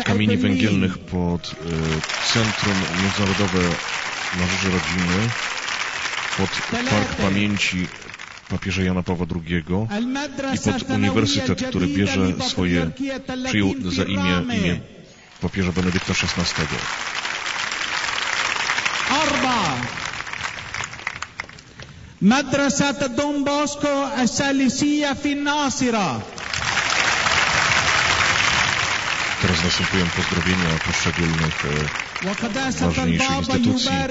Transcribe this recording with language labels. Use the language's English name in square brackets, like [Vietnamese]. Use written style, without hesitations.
[Polish] Kamieni węgielnych pod Centrum Międzynarodowe na rzecz Rodziny pod Park Pamięci papieża Jana Pawła II i pod Uniwersytet, który bierze swoje, przyjął za imię papieża Benedykta XVI. [Arabic] مدرسة دون بوسكو الثالثية في الناصرة. [Polish] Teraz następują pozdrowienia poszczególnych ważniejszych instytucji.